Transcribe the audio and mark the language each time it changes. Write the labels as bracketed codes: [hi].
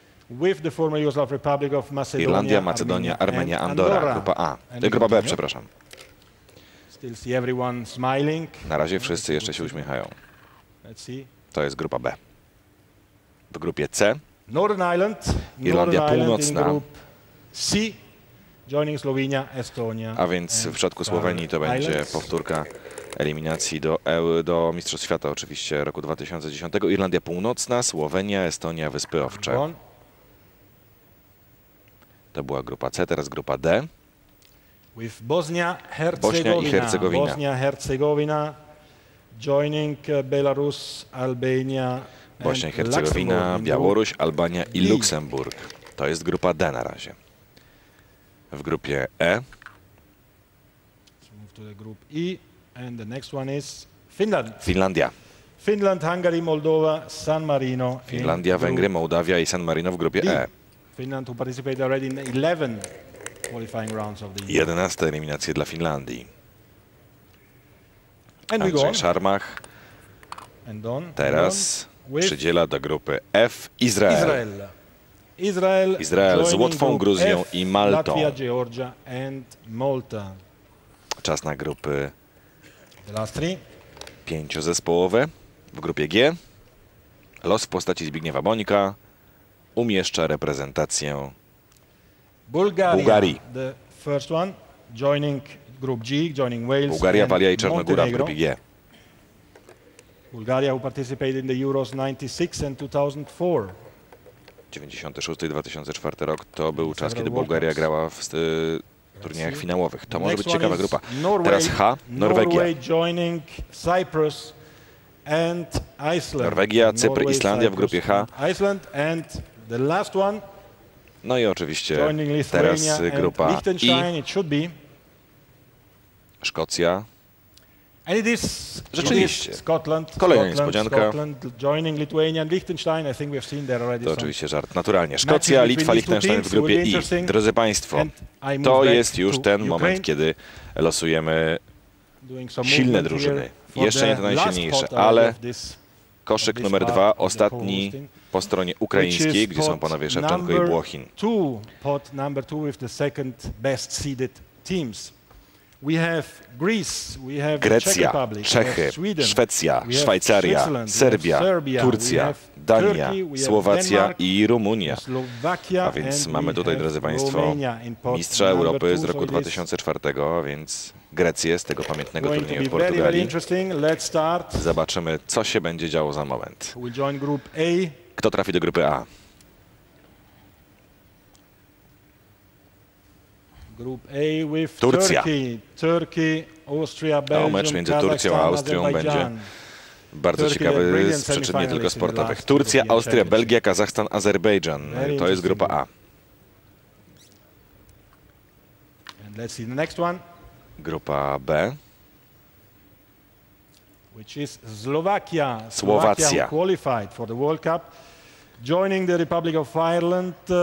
[en] With the former Yugoslav Republic of Macedonia, [pl] Irlandia, Macedonia, Armenia, Andorra, grupa A. Grupa B, przepraszam. [en] Still see everyone smiling. [pl] Na razie wszyscy jeszcze się uśmiechają. [en] Let's see. [pl] To jest grupa B. W grupie C. [en] Northern Ireland, [pl] Irlandia Północna. [en] C, joining Slovenia, Estonia. [pl] A więc w przypadku Słowenii to będzie powtórka eliminacji do Mistrzostw Świata oczywiście roku 2010. Irlandia Północna, Słowenia, Estonia, Wyspy Owcze. To była grupa C, teraz grupa D. [en] With Bosnia i Hercegowina. Bosnia-Hercegowina, joining Belarus, Albania. [pl] Bosnia-Hercegowina, Białoruś, Albania i Luksemburg. To jest grupa D na razie. W grupie E. [en] Let's move to the group E. And the next one is Finland. [pl] Finlandia. [en] Finland, Hungary, Moldova, San Marino. [pl] Finlandia, Węgry, Mołdawia i San Marino w grupie E. [en] Finland, who participated already in 11 qualifying rounds of the year. [pl] 11 eliminacje dla Finlandii. Andrzej Szarmach teraz przydziela do grupy F Izrael. Izrael z Łotwą, Gruzją i Maltą. [en] Latwia, Georgia and Malta. [pl] Czas na grupy [en] the last three. [pl] Pięciozespołowe w grupie G. Los w postaci Zbigniewa Bonika umieszcza reprezentację Bułgarii. [en] The first one, joining group G, joining Wales, [pl] Bułgaria, Walia i Czarnogóra w grupie G. [en] Bulgaria, who participated in the Euros 96 and 2004. [pl] 96 i 2004 rok to był czas, kiedy Bułgaria grała w turniejach finałowych. To może być ciekawa grupa. Teraz H, Norwegia. [en] Joining Cyprus and Iceland. [pl] Norwegia, Cypr, Islandia w grupie H. [en] Iceland and the last one. [pl] No i oczywiście teraz grupa I. [en] It should be. [pl] Szkocja. [en] And it is [pl] rzeczywiście [en] Scotland. [pl] Kolejna niespodzianka. [en] Scotland joining Lithuania and Liechtenstein. I think we've seen there already. [pl] To oczywiście żart. Naturalnie. Szkocja, Litwa, Liechtenstein w grupie I. Drodzy Państwo, to jest już ten moment, kiedy losujemy silne drużyny. Jeszcze nie te najsilniejsze, ale koszyk numer 2, ostatni po stronie ukraińskiej, gdzie są panowie Szewczenko i Błochin. [en] Pod number 2 with the second best seeded teams. We have Greece, we have [pl] Grecja, [en] Czech Republic, [pl] Czechy, [en] we have Sweden, [pl] Szwecja, Szwajcaria, Serbia, Serbia, Turcja, Dania, Turkey, Słowacja i Rumunia. [en] Slovakia, [pl] a więc mamy tutaj, drodzy Państwo, mistrza Europy z roku 2004, a więc Grecję z tego pamiętnego turnieju w Portugalii. Zobaczymy, co się będzie działo za moment. Kto trafi do grupy A? [en] Group A with [pl] Turcja. [en] Turkey, Austria, Belgium, [pl] to mecz między Turcją a Austrią będzie bardzo ciekawy z przyczyn nie tylko sportowych. Turcja, Austria, Belgia, Kazachstan, Azerbejdżan. To jest grupa A. [en] And let's see the next one. [pl] Grupa B. [en] Which is Slovakia. [pl] Słowacja. [en] Qualified for the World Cup, joining the Republic of Ireland.